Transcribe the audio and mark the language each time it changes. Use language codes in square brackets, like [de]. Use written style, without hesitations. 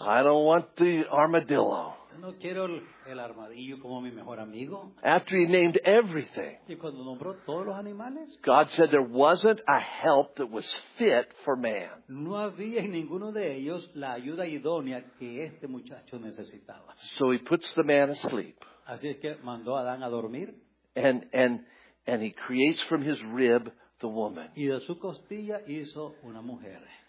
[en] I don't want the armadillo. [es] No quiero el armadillo como mi mejor amigo. [en] After he named everything, [es] y cuando nombró todos los animales, [en] God said there wasn't a help that was fit for man. [es] No había en ninguno de ellos la ayuda idónea que este muchacho necesitaba. [en] So he puts the man asleep. [es] Así es que mandó a Adán a dormir. [en] And he creates from his rib the woman. [es] Y de su costilla hizo una mujer.